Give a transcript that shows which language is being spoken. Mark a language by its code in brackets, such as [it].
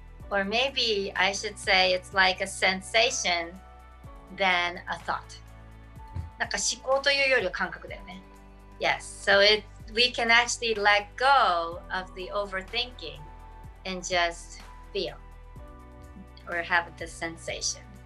[en] Or maybe I should say it's like a sensation than a thought. [ja] なんか思考というよりは感覚だよね。 [en] Yes, so we can actually let go of the overthinking and just feel or have the sensation.